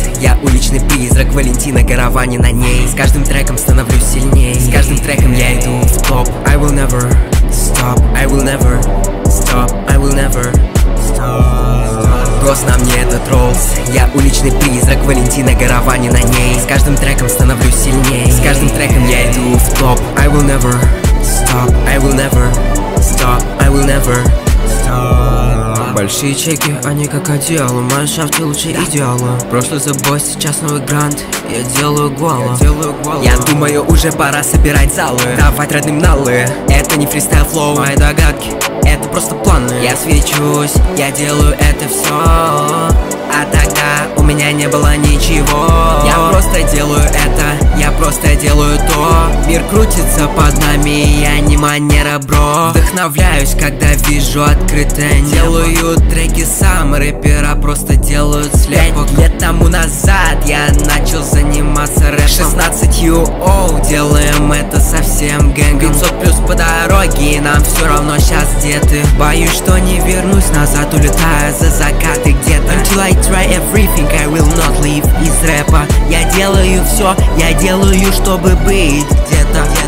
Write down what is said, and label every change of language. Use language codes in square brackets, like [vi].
[ru] Я уличный призрак, Валентина Каравани на ней. С каждым треком становлюсь сильней. С каждым треком я иду в топ. [en] I will never stop, I will never stop, I will never stop. [ru] Вопрос, на мне этот ролл. Я уличный призрак, Валентина Каравани на ней. С каждым треком становлюсь сильней. С каждым треком я иду в топ. [en] I will never stop, I will never stop, I will never stop. [ru] Большие чеки, они как одеяло. Моя шафта лучше идеала. Прошлый забой, сейчас новый грант. Я делаю гуало. Я думаю, уже пора собирать залы. Давать родным налы. Это не фристайл флоу. Мои догадки, это просто планы. Я свечусь, я делаю это все. А тогда у меня не было ничего. Я просто делаю это, я просто делаю то. Мир крутится под нами, я не манера, бро. Вдохновляюсь, когда вижу открытое небо. Делаю треки сам, рэпера просто делают слепок. 5 лет тому назад я начал заниматься рэпом. 16 UO, делаем это со всем гэнгом. 500 плюс по дороге, и нам все равно сейчас где ты. Боюсь, что не вернусь назад, улетаю за закаты где-то. [en] Until I try everything, I will not leave [ru] из рэпа. Я делаю все, я делаю, чтобы быть где-то.